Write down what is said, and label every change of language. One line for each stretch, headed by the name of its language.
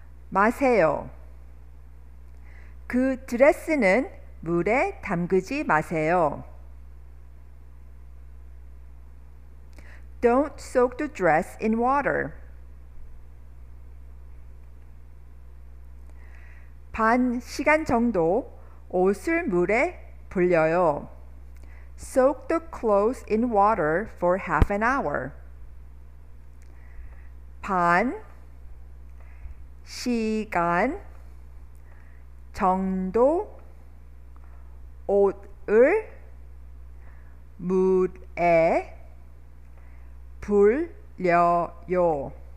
Korean: 마세요. 그 드레스는 물에 담그지 마세요.
English: Don't soak the dress in water.
Korean: 반 시간 정도 옷을 물에 불려요.
English: Soak the clothes in water for half an hour.
Korean: 반 시간 정도 옷을 물에 불려요.